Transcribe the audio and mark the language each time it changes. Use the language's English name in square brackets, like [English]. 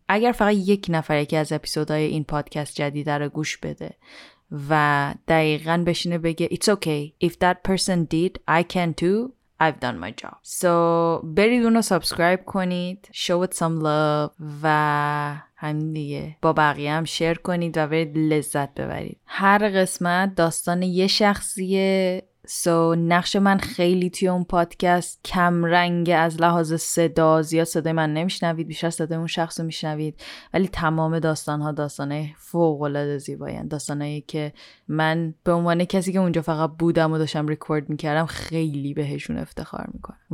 [Persian] اگر فقط یک نفر یکی از اپیزودهای این پادکست جدید رو گوش بده و دقیقاً بشینه بگه [English] It's okay. If that person did, I can too. I've done my job. [Persian] So برید اونو سابسکرایب کنید. [English] Show it some love. [Persian] و همین دیگه، با بقیه هم شیر کنید و برید لذت ببرید. هر قسمت داستان یه شخصیه. So نقش من خیلی توی اون پادکست کم رنگ از لحاظ صدا، زیاد صدای من نمیشنوید، بیشتر صدای اون شخص رو میشنوید، ولی تمام داستان ها داستانه فوق العاده زیبایی هستند، داستانه که من به عنوان کسی که اونجا فقط بودم و داشتم ریکورد میکردم خیلی بهشون افتخار میکنم.